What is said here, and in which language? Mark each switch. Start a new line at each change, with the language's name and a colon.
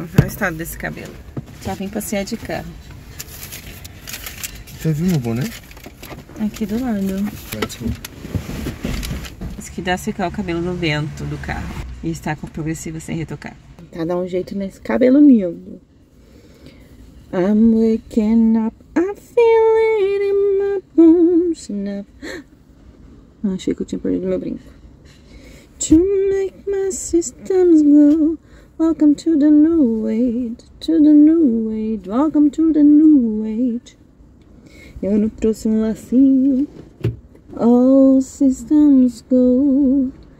Portuguese: Olha o estado desse cabelo. Já vim passear de carro. Você viu meu boné? Aqui do lado. Isso que dá secar o cabelo no vento do carro. E está com progressiva sem retocar. Tá dando um jeito nesse cabelo lindo.
English: I'm waking up, I feel it in my bones.
Portuguese: Ah, achei que eu tinha perdido meu brinco.
English: To make my systems glow. Welcome to the new age. To the new age. Welcome to the new age.
Portuguese: Eu não trouxe um lacinho.
English: All systems go.